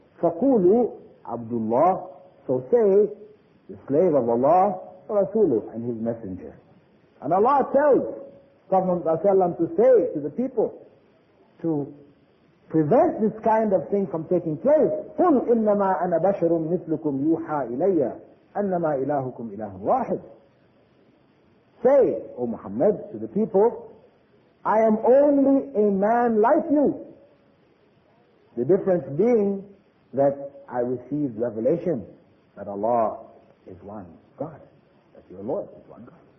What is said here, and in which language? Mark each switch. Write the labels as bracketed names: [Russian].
[Arabic] فَقُولُ عَبْدُ اللَّهِ [English] So say, the slave of Allah, رَسُولُ and his messenger. And Allah tells Prophet ﷺ to say to the people to prevent this kind of thing from taking place. [Arabic] قُلْ إِنَّمَا أَنَا بَشَرٌ مِثْلُكُمْ يُوحَى إِلَيَّ أنما إلهكم إله واحد. [English] Say, O Muhammad, to the people, I am only a man like you. The difference being that I received revelation that Allah is one God, that your Lord is one God.